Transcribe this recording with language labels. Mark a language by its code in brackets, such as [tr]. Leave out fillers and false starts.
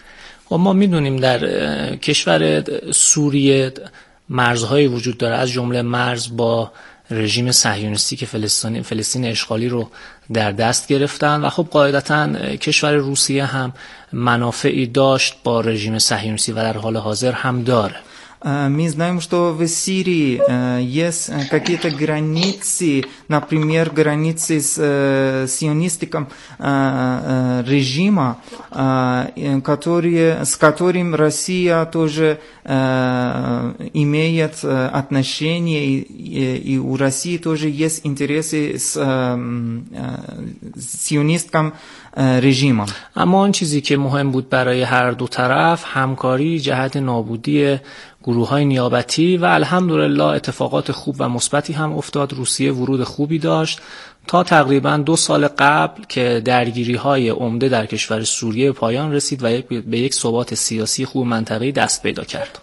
[ru] Мы знаем, что в Сирии мерзы есть, [fa] رژیم صهیونیستی که فلسطین اشغالی رو در دست گرفتن و خب قاعدتاً کشور روسیه هم منافعی داشت با رژیم صهیونیستی و در حال حاضر هم داره. [ru] Мы знаем, что в Сирии есть какие-то границы, например, границы с сионистским режимом, с которым Россия тоже имеет отношения, и у России тоже есть интересы с сионистским режимом. [fa] اما اون چیزی که مهم بود برای هر دو طرف همکاری جهت نابودی گروه‌های نیابتی و الحمدلله اتفاقات خوب و مثبتی هم افتاد. روسیه ورود خوبی داشت تا تقریبا دو سال قبل که درگیری‌های عمده در کشور سوریه پایان رسید و به یک ثبات سیاسی خوب منطقه‌ای دست پیدا کرد.